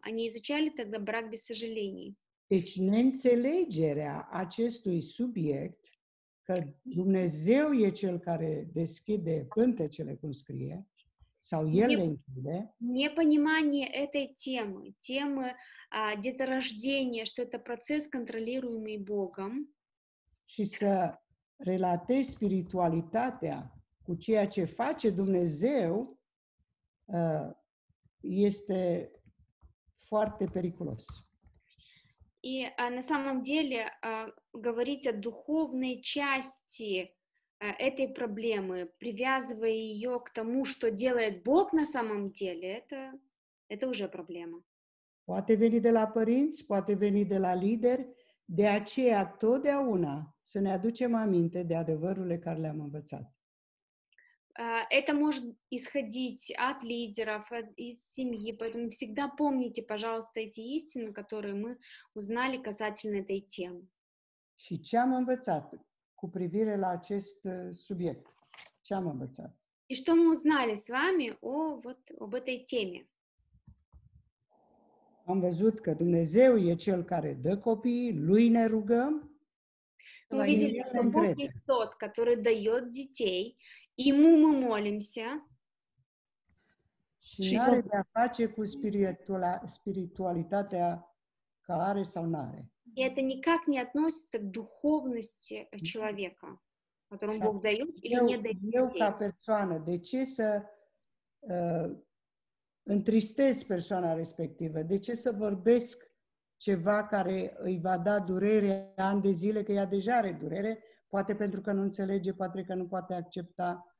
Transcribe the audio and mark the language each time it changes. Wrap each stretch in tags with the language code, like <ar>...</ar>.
<ru>Они изучали тогда брак без сожалений.</ru> <ro>Deci neînțelegerea acestui subiect că Dumnezeu e cel care deschide pântecele, cum scrie, sau El le închide.</ro> <ru>Непонимание этой темы, темы деторождения, что это процесс контролируемый Богом.</ru> <ro>Și să relatezi spiritualitatea cu ceea ce face Dumnezeu este foarte periculos.</ro> <ru>И на самом деле говорить о духовной части этой проблемы, привязывая ее к тому, что делает Бог на самом деле, это уже проблема.</ru> <ro>Poate veni de la părinți, poate veni de la lideri, de aceea totdeauna să ne aducem aminte de adevărurile care le-am învățat.</ro> <ru>Это может исходить от лидеров, из семьи, поэтому всегда помните, пожалуйста, эти истины, которые мы узнали касательно этой темы.</ru> <ro>Și ce am învățat? cu privire la acest subiect? Ce am învățat?</ro> <ru>И что мы узнали с вами о вот об этой теме?</ru> <ro>Am văzut că Dumnezeu e cel care dă copii, lui ne rugăm.</ro> <ru>Мы видели, что Бог есть тот, который дает детей, ему мы молимся.</ru> <ro>Și are de-a face cu spiritualitatea care sau n-are.</ro> <ru>И это никак не относится к духовности человека, которому Бог дает или не дает детей.</ru> <ro>Eu ca persoană, de ce să întristez persoana respectivă? De ce să vorbesc ceva care îi va da durere ani de zile, că ea deja are durere, poate pentru că nu înțelege, poate că nu poate accepta.</ro>